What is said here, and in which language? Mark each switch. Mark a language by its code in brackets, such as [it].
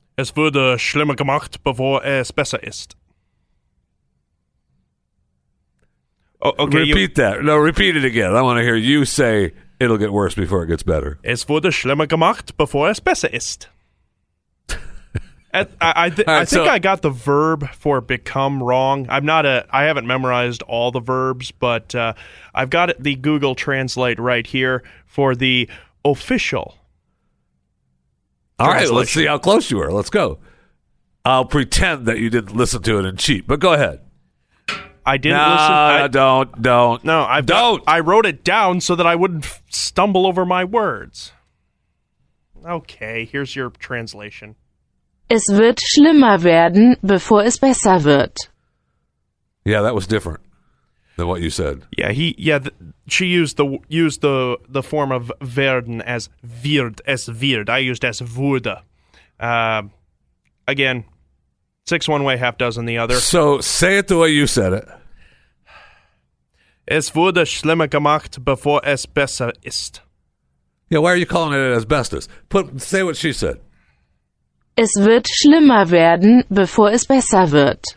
[de] Es wurde schlimmer gemacht, bevor es besser ist. [en] Oh, okay, repeat that. No, repeat it again. I want to hear you say it'll get worse before it gets better. [de] Es wurde schlimmer gemacht, bevor es besser ist. [en] I think I got the verb for become wrong. I haven't memorized all the verbs, but I've got the Google Translate right here for the official. All right, let's see how close you are. Let's go. I'll pretend that you didn't listen to it in cheat, but go ahead. I didn't listen. No, don't. No, I've don't. I wrote it down so that I wouldn't stumble over my words. Okay, here's your translation. [de] Es wird schlimmer werden, bevor es besser wird. [en] Yeah, that was different than what you said. Yeah, she used the form of werden as wird, es wird. I used as wurde. Again, six one way, half dozen the other. So say it the way you said it. [de] Es wurde schlimmer gemacht, bevor es besser ist. [en] Yeah, why are you calling it asbestos? Say what she said. [de] Es wird schlimmer werden, bevor es besser wird.